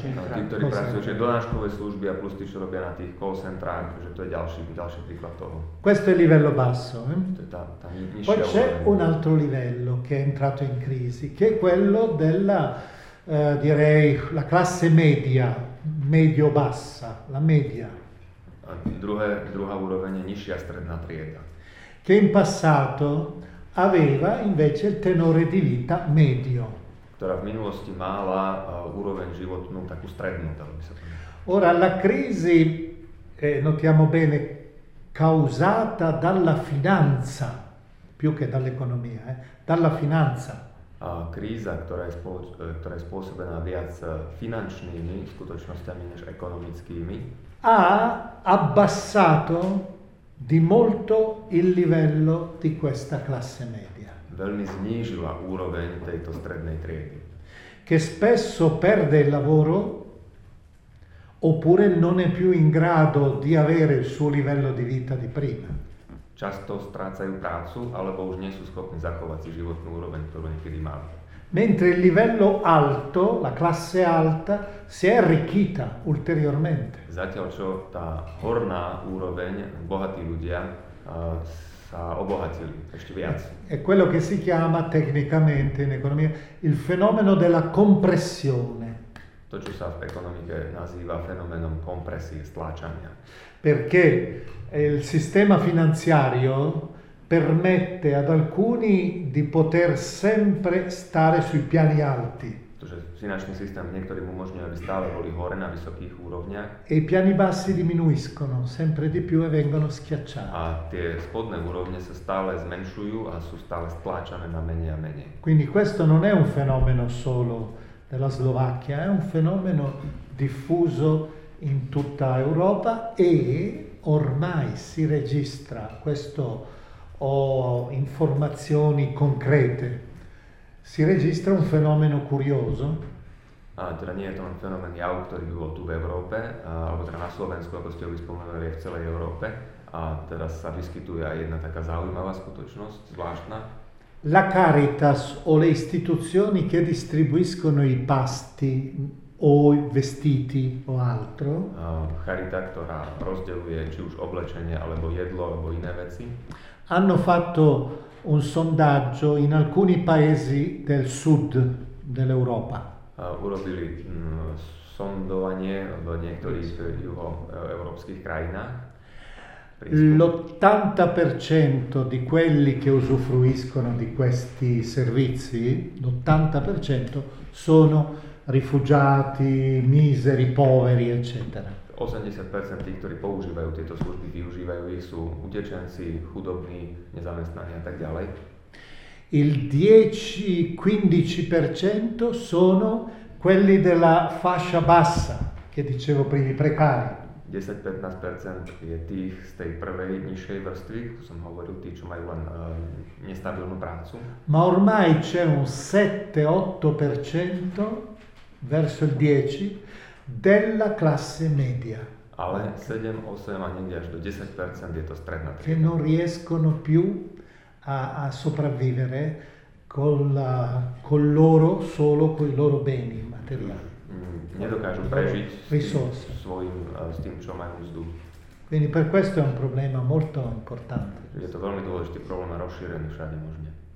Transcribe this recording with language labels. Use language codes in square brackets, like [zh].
[sk] Tí, ktorí pracujú, čiže donáškové služby a plus tí, čo robia na tých call centrách, že to je ďalší príklad toho. [it] Questo è livello basso. [sk] To je tá nižšia. [it] Poi c'è un altro livello che è entrato in crisi, che è quello della, direi, la classe media, medio-bassa, la media. [sk] A druhá úroveň je nižšia stredná trieda. [it] Che in passato aveva invece il tenore di vita medio. [sk] Ktorá v minulosti mala úroveň životnú, takú strednú, dalo by sa to. [it] Ora la crisi, notiamo bene, causata dalla finanza, più che dall'economia, dalla finanza. [sk] Kríza, ktorá je spôsobená viac finančnými skutočnosťami než ekonomickými, [it] ha abbassato di molto il livello di questa classe media. [sk] Veľmi znížila úroveň tejto strednej triedy. [it] Che spesso perde il lavoro oppure non è più in grado di avere il suo livello di vita di prima. [sk] Často strácajú prácu alebo už nie sú schopní zachovať si životnú úroveň, ktorú niekedy mali. [it] Mentre il livello alto, la classe alta, si è arricchita ulteriormente. [sk] Zatiaľ čo tá horná úroveň, bohatí ľudia sa obohatili ešte viac. [it] È quello che si chiama tecnicamente in economia il fenomeno della compressione. [sk] To, čo sa v ekonomike nazýva fenoménom compressi, stláčania. [it] Perché il sistema finanziario permette ad alcuni di poter sempre stare sui piani alti. [sk] Tože finančný systém niektorým umožňuje, aby stále boli hore na vysokých úrovniach. [it] E i piani bassi diminuiscono sempre di più e vengono schiacciati. [sk] A tie spodné úrovne sa stále zmenšujú a sú stále stláčané na menej a menej. [it] Quindi questo non è un fenomeno solo della Slovacchia, è un fenomeno diffuso in tutta Europa e ormai si registra questo, ho informazioni concrete. Si registra un fenomeno curioso. [sk] Teda nie je to len fenomén javu, ktorý bolo tu v Európe, alebo teda na Slovensku, ako ste ho vyspomenuli, v celej Európe. A teraz sa vyskytuje aj jedna taká zaujímavá skutočnosť, zvláštna. [it] La Caritas o le istituzioni che distribuiscono i pasti o vestiti o altro. [sk] Charita, ktorá rozdeľuje či už oblečenie, alebo jedlo, alebo iné veci. [it] Hanno fatto un sondaggio in alcuni paesi del sud dell'Europa. [sk] Urobili sondovanie v niektorých juhoeurópskych krajinách. [it] L'80% di quelli che usufruiscono di questi servizi, l'80% sono rifugiati, miseri, poveri, eccetera. [sk] 80% tých, ktorí používajú tieto služby, využívajú ich, sú utečenci, chudobní, nezamestnaní a tak ďalej. [it] Il 10-15% sono quelli della fascia bassa, che dicevo prima, precari. [sk] 10-15% je tých z tej prvej nižšej vrstvy, tu som hovoril, tí, čo majú len nestabilnú prácu. [it] Ma ormai c'è un 7-8% verso il 10% della classe media. [sk] Ale 7-8 a niekde až do 10% je to stredná trieda. [it] Che non riescono più a sopravvivere con loro solo con i loro beni materiali. [sk] Nedokážu prežiť s tým, čo majú mzdu. [it] Quindi per questo è un problema molto importante. [sk] Je to veľmi dôležitý problém a rozšírený všade možne.